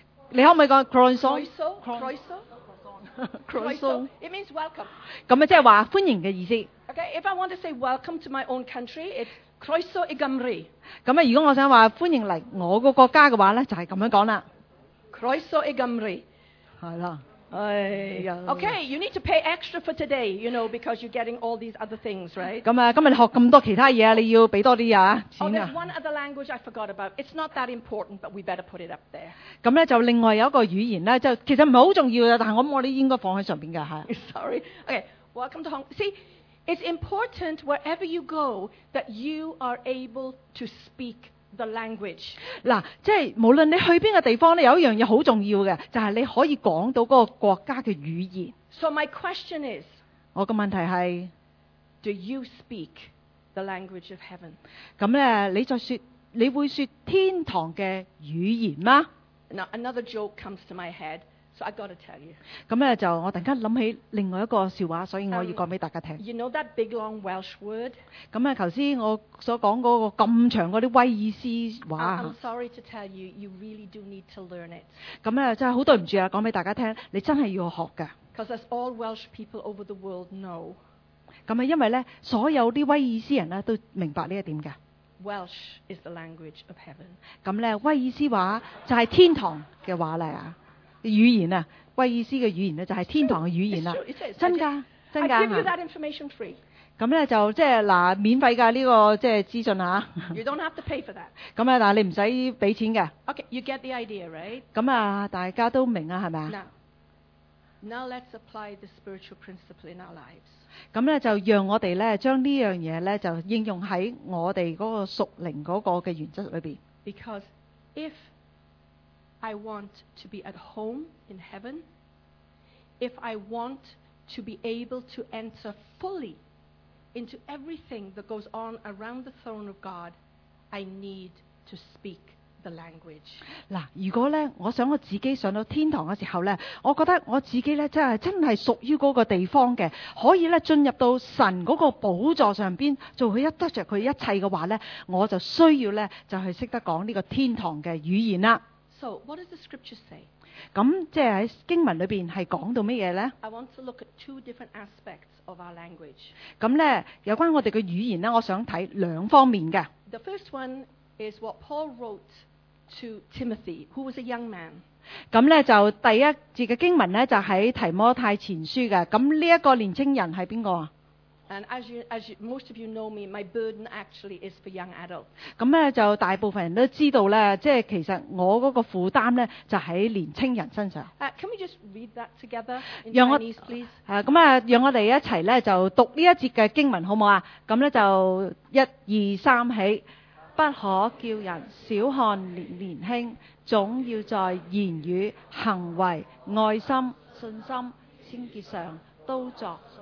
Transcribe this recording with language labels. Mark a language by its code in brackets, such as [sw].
[yue] 你可唔可以講 "croeso"？ [cy] Croeso。 Croeso。 [en] It means welcome。 [yue] 咁啊，即係話歡迎嘅意思。 [en] Okay, if I want to say welcome to my own country, it's [cy] Croeso i Gymru. [yue] 咁如果我想话欢迎嚟我个国家嘅话咧，就系咁样讲啦。 [cy] Croeso i Gymru. [yue] 系啦。 [en] 哎、okay, you need to pay extra for today, you know, because you're getting all these other things, right? [yue] 咁啊，今日学咁多其他嘢，你要俾多啲啊，钱啊。 [en] Oh, there's one other language I forgot about. It's not that important, but we better put it up there. [yue] 咁咧就另外有一个语言咧，就其实唔系好重要嘅，但系我哋应该放喺上边嘅吓。 [en] Sorry. Okay, welcome to Hong Kong. See, it's important wherever you go that you are able to speak the language. [yue] 嗱，即系无论你去边个地方咧，有一样嘢好重要嘅，就系你可以讲到嗰个国家嘅语言。 [en] So my question is, [yue] 我嘅问题系 [en] ，Do you speak the language of heaven? [yue] 咁咧，你再说，你会说天堂嘅语言吗 [en] ？Now another joke comes to my head. So I got to tell you. [yue] 咁咧就我突然间谂起另外一个笑话，所以我要讲俾大家听。 [en] You know that big long Welsh word? [yue] 咁啊，头先我所讲嗰个咁长嗰啲威尔斯话。 [en] I'm sorry to tell you, you really do need to learn it. [yue] 咁咧真系好对唔住啊，讲俾大家听，你真系要学噶。 [en] Because as all Welsh people over the world know. [yue] 咁啊，因为咧所有啲威尔斯人咧都明白呢一点噶。 [en] Welsh is the language of heaven. [yue] 咁咧，威尔斯话就系天堂嘅话嚟啊。語言啊，威爾斯嘅語言咧就係天堂嘅語言啦，真噶，真噶。 [en] I give you that information free。 [yue] 咁咧就即係嗱，免費噶呢個即係資訊啊。 [en] You don't have to pay for that。 [yue] 咁啊，但係你唔使俾錢嘅。 [en] Okay, you get the idea, right? [yue] 咁啊，大家都明啊，係咪啊 [en] ？Now, let's apply the spiritual principle in our lives。 [yue] 咁咧就讓我哋咧將呢樣嘢咧就應用喺我哋嗰個屬靈嗰個嘅原則裏邊。 [en] Because if I want to be at home in heaven. If I want to be able to enter fully into everything that goes on around the throne of God, I need to speak the language. [yue] 嗱，如果咧，我想我自己上到天堂嘅时候咧，我觉得我自己咧真系属于嗰个地方嘅，可以咧进入到神嗰个宝座上边，做佢一得着佢一切嘅话咧，我就需要咧就系识得讲呢个天堂嘅语言啦。 [en] So what does the scripture say? [yue] 咁即系喺经文里边系讲到乜嘢咧 [en] ？I want to look at two different aspects of our language. [yue] 咁咧，有关我哋嘅语言咧，我想睇两方面嘅。 [en] The first one is what Paul wrote to Timothy, who was a young man. [yue] 咁咧就第一节嘅经文咧就喺提摩太前书嘅。咁呢一个年青人系边个啊？ [en] And as you, most of you know me, my burden actually is for young adults. [yue] 咁咧就大部分人都知道咧，即系其实我嗰个负担咧就喺年青人身上。 [en] Can we just read that together in Chinese, please? [yue] 咁啊，让我哋一齐咧就读呢一节嘅经文，好唔好啊？咁咧就一二三起，不可叫人小看年轻，总要在言语、行为、爱心、信心、清洁上都作。